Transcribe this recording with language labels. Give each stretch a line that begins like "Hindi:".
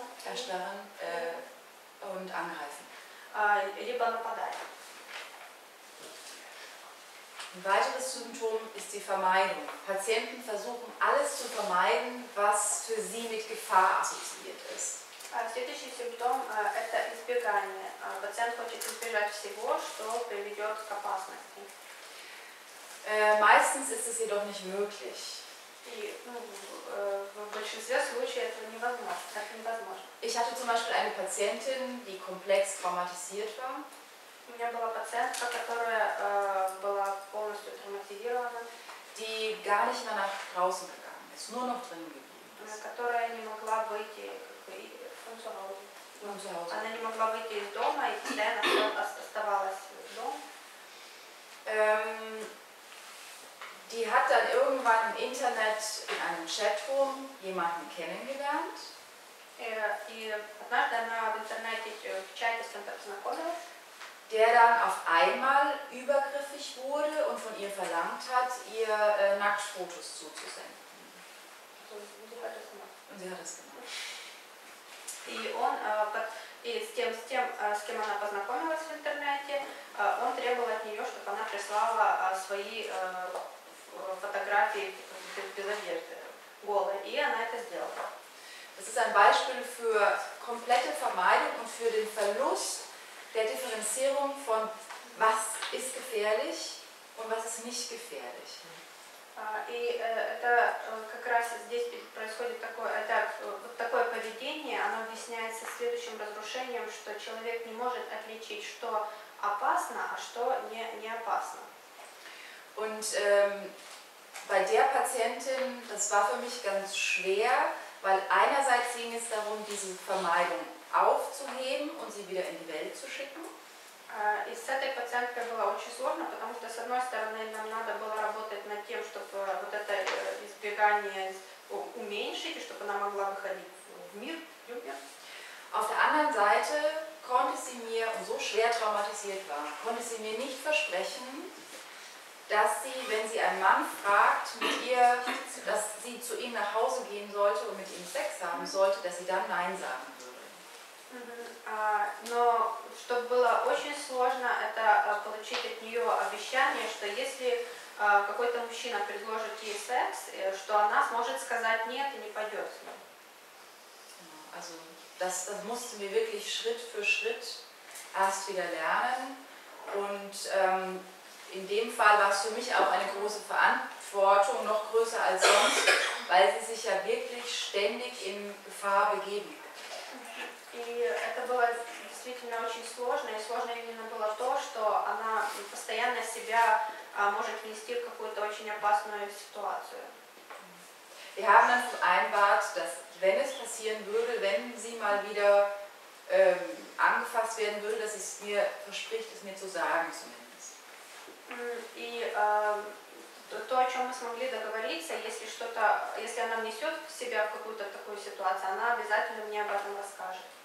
German: erstarren und angreifen.
Russian: Либо нападать.
German: Ein weiteres Symptom ist die Vermeidung. Patienten versuchen alles zu vermeiden, was für sie mit Gefahr assoziiert ist.
Russian: Следующий симптом – это избегание. Пациент хочет избежать всего, что приведет к опасности.
German: Meistens ist es jedoch nicht möglich.
Russian: И, ну, в большинстве случаев это невозможно. Это невозможно.
German: Ich hatte zum Beispiel eine Patientin, die komplett traumatisiert war.
Russian: У меня была пациентка, которая была полностью травматизирована.
German: Die gar nicht mehr nach draußen gegangen ist, nur noch drin geblieben ist.
Russian: Которая не могла выйти. Она не могла выйти из дома и постоянно оставалась дома.
German: Die hat dann irgendwann im Internet in einem Chatroom jemanden kennengelernt.
Russian: И однажды она в интернете в чате с кем-то познакомилась.
German: Der dann auf einmal übergriffig wurde und von ihr verlangt hat, ihr Nacktfotos zuzusenden. Und sie hat das gemacht.
Russian: И он с кем она познакомилась в интернете, он требовал от нее, чтобы она прислала свои фотографии без одежды, голые, и она это сделала.
German: Das ist ein Beispiel für komplette Vermeidung und für den Verlust der Differenzierung von was ist gefährlich und was ist nicht gefährlich.
Russian: И это как раз здесь происходит такое, это вот такое поведение, оно объясняется следующим разрушением, что человек не может отличить, что опасно, а что не опасно.
German: Und bei der Patientin, das war für mich ganz schwer, weil einerseits ging es darum, diese Vermeidung aufzuheben und sie wieder in die Welt zu schicken.
Russian: И с этой пациенткой было очень сложно, потому что, с одной стороны, нам надо было работать над тем, чтобы вот это избегание уменьшить, чтобы она могла выходить в мир.
German: Auf der anderen Seite konnte sie mir, so schwer traumatisiert war, konnte sie mir nicht versprechen, dass sie, wenn sie einen Mann fragt, mit ihr, dass sie zu ihm nach Hause gehen sollte und mit ihm Sex haben sollte, dass sie dann Nein sagen
Russian: Но что было очень сложно, это получить от нее обещание, что если какой-то мужчина предложит ей секс, что она сможет сказать нет и не пойдет с ним.
German: Also das musste mir wirklich Schritt für Schritt erst wieder lernen. Und in dem Fall war es für mich auch eine große Verantwortung, noch größer als sonst, weil sie sich ja wirklich ständig in Gefahr begeben.
Russian: И это было действительно очень сложно, и сложно именно было то, что она постоянно себя может внести в какую-то очень опасную ситуацию.
German: Wir haben dann vereinbart, dass wenn es passieren würde, wenn sie mal wieder angefasst werden würde, dass sie es mir verspricht, es mir zu sagen zumindest.
Russian: И то, о чем мы смогли договориться, если что-то, если она внесет в себя в какую-то такую ситуацию, она обязательно мне об этом расскажет.